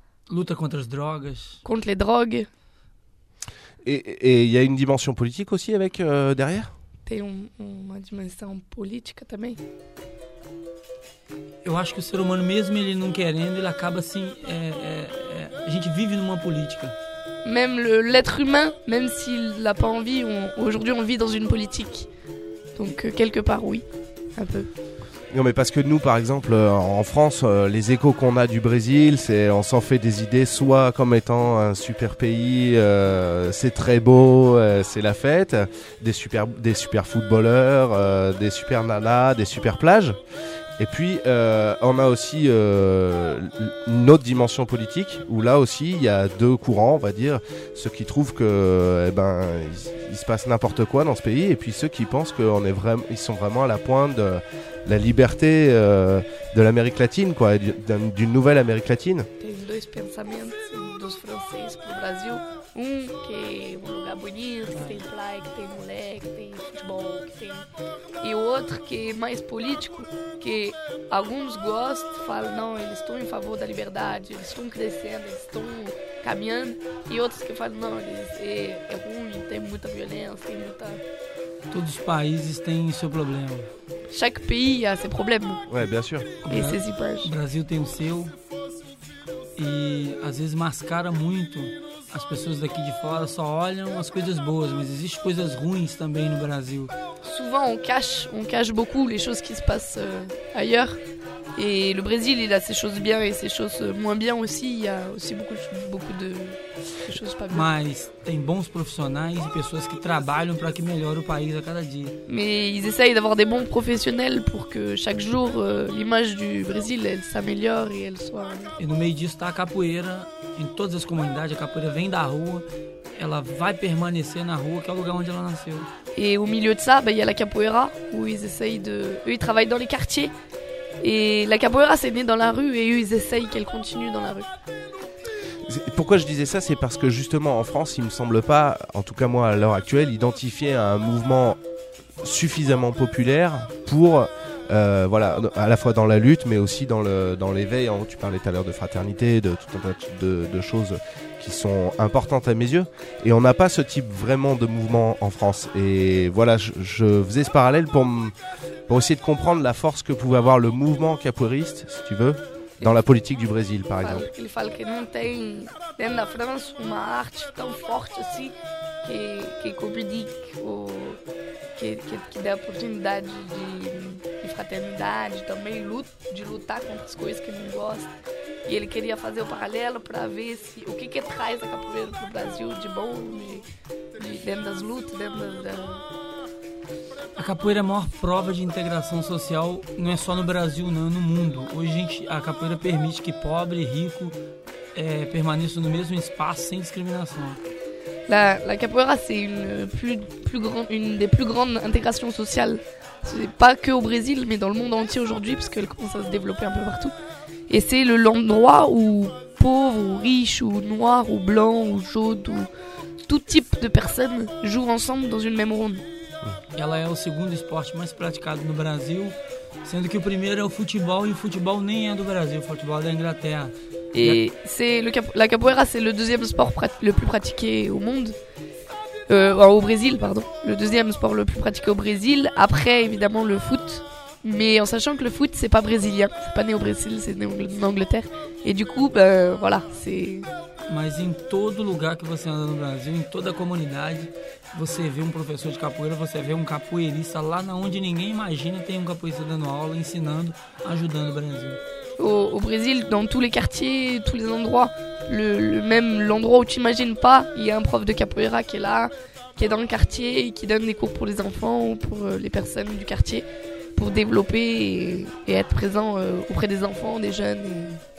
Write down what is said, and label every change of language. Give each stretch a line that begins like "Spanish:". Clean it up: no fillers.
French: Lutte contre les drogues. Contre les drogues. Et il y a une dimension politique aussi avec derrière.
Portuguese: Tem uma dimensão política também. Eu acho que o ser humano, mesmo ele não querendo, ele acaba assim. A gente vive numa política.
French: Même l'être humain, même s'il n'a pas envie, aujourd'hui on vit dans une politique. Donc, quelque part, oui, un peu. Non, mais parce que nous, par exemple, en France, les échos qu'on a du Brésil, c'est on s'en fait des idées soit comme étant un super pays, c'est très beau, c'est la fête, des super footballeurs, des super nanas, des super plages. Et puis, on a aussi une autre dimension politique, où là aussi, il y a deux courants, on va dire, ceux qui trouvent que, il se passe n'importe quoi dans ce pays, et puis ceux qui pensent qu'on est vraiment, ils sont vraiment à la pointe de la liberté de l'Amérique latine, quoi, d'une nouvelle Amérique latine.
Portuguese: Tem dois pensamentos, dos franceses pro Brasil, que é lugar bonito, que tem praia, que tem mulher, que tem futebol, que tem. E o outro que é mais político, que alguns gostam, falam, não, eles estão em favor da liberdade, eles estão crescendo, eles estão caminhando, e outros que falam, não, é ruim, tem muita violência, tem muita. Todos os países têm seu problema.
French: chaque pays a ses problèmes. Ouais, bien sûr. Et ses images.
Portuguese: Le Brasil tem o seu. E às vezes mascara muito. As pessoas daqui de fora só olham as coisas boas, mas existe coisas ruins também no Brasil.
French: Souvent on cache beaucoup les choses qui se passent ailleurs. Et le Brésil, il a ses choses bien et ses choses moins bien aussi. Il y a aussi beaucoup de choses pas bien.
Portuguese: Mas tem bons profissionais e pessoas que trabalham para que melhore o país a cada dia.
French: Mais ils essayent d'avoir des bons professionnels pour que chaque jour l'image du Brésil elle s'améliore et elle soit.
Portuguese: E no meio disso está a capoeira. Em todas as comunidades a capoeira vem da rua. Ela vai permanecer na rua, que é o lugar onde ela nasceu.
French: Et au milieu de ça, bah il y a la capoeira où ils essayent de eux ils travaillent dans les quartiers. Et la capoeira, c'est né dans la rue et eux, ils essayent qu'elle continue dans la rue. Pourquoi je disais ça ? C'est parce que justement, en France, il ne me semble pas, en tout cas moi à l'heure actuelle, identifier un mouvement suffisamment populaire pour, voilà, à la fois dans la lutte, mais aussi dans l'éveil. Hein, tu parlais tout à l'heure de fraternité, de tout un tas de choses qui sont importantes à mes yeux. Et on n'a pas ce type vraiment de mouvement en France. Et voilà, je faisais ce parallèle pour essayer de comprendre la force que pouvait avoir le mouvement capoeiriste, si tu veux, dans la politique du Brésil, par exemple.
Portuguese: Il fala que não tem dentro da França uma arte tão forte assim que comunique ou que dê a oportunidade de fraternidade, também de lutar contra as coisas que ele não gosta. E ele queria fazer o paralelo para ver se o que traz a capoeira para o Brasil de bom, dentro das lutas, dentro da. A capoeira é a maior prova de integração social, não é só no Brasil, não, é no mundo. Hoje a capoeira permite que pobre e rico permaneçam no mesmo espaço sem discriminação. La capoeira é uma das mais grandes integrações sociais. Não só no Brasil, mas no mundo inteiro hoje, porque ela começa a se desenvolver um pouco
French: partout.
Portuguese: E é o
French: endroit où pauvre, ou riche, ou noir, ou blanc, ou jaune, ou
Portuguese: todo tipo de pessoas jogam
French: ensemble dans une même ronde.
Portuguese: Ela é o segundo esporte mais praticado no Brasil, sendo que o primeiro é o futebol, e o futebol nem é do Brasil, o futebol é da Inglaterra. E a capoeira é o
French: deuxième sport le plus pratiqué au monde. Au Brésil, pardon. Le deuxième sport le plus pratiqué au Brésil, après, évidemment, le foot. Mais en sachant que le foot, c'est pas brésilien, c'est pas né au Brésil, c'est né en Angleterre. Et du coup, ben voilà, c'est.
Portuguese: Mas em todo lugar que você anda no Brasil, em toda a comunidade, você vê um professor de capoeira, você vê um capoeirista lá na onde ninguém imagina, tem um capoeirista dando aula, ensinando, ajudando o Brasil.
French: Au Brésil, dans tous les quartiers, tous les endroits, même l'endroit où tu imagines pas, il y a un prof de capoeira qui est là, qui est dans le quartier et qui donne des cours pour les enfants ou pour les personnes du quartier pour développer et être présent auprès des enfants, des jeunes.